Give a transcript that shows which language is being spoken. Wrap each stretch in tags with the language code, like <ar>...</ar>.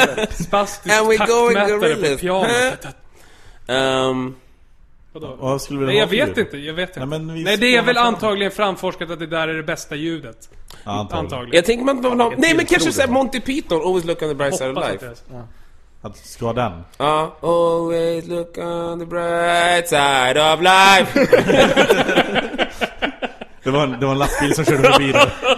<sv>Spastiskt taktmätare på pianet. Vadå? Skulle vi vilja ha för ljud? Jag vet inte. Nej, det är väl antagligen framforskat att det där är det bästa ljudet. Antagligen. Jag tänker man att man har... Nej, men kanske såhär Monty Python.</sv> <en>Always look on the bright side of life.</en> <sv>Att ska den. Ja,</sv> <en>always look on the bright side of life.</en> <sv>Det var en lastbil som körde förbi det.</sv>